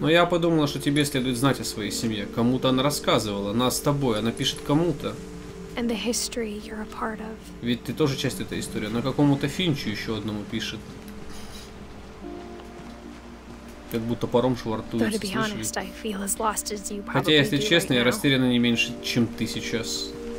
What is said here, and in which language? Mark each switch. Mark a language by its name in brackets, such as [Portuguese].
[Russian] Но я подумала, что тебе следует знать о своей семье. Кому-то она рассказывала, нас с тобой, она пишет кому-то. [English] And the history you're a part of. [Russian] Ведь ты тоже часть этой истории. Она какому-то Финчу еще одному пишет. Как будто паром швартуется, слышали? Хотя, если честно, я растеряна не меньше, чем ты сейчас.